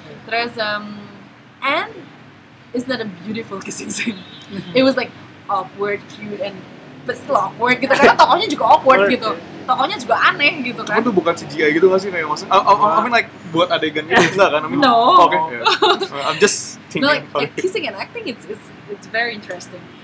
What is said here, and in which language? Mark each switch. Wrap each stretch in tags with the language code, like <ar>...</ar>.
<id>Terus,</id> <en>and is that a beautiful kissing scene? It was like awkward, cute, and but still awkward gitu.</en> <id>Karena tokohnya juga awkward gitu. Tokohnya juga aneh gitu kan. Itu bukan CGI gitu gak sih? Kayak maksudnya,</id> <en>I mean like</en> <id>buat adegan gitu lah kan?</id> <en>I mean, no. Okay. Yeah. I'm just thinking. No, like kissing and acting, it's very interesting.</en>